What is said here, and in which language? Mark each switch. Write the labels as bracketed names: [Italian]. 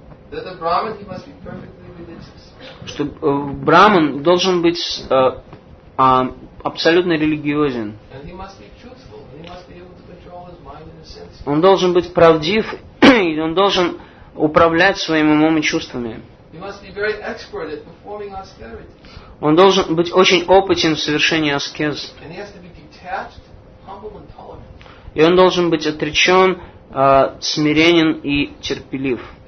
[English] That a Brahman, he must be perfectly religious. [Russian] Что Брахман должен быть абсолютно религиозен. [English] And he must be truthful. He must be able to control his mind and his senses. [Russian] Он должен быть правдив, и он должен управлять своим умом и чувствами. [English] He must be very expert at performing austerities. [Russian] Он должен быть очень опытен в совершении аскез. [English] And he has to be detached, humble and tolerant. [Russian] И он должен быть отречен, смиренен и терпелив.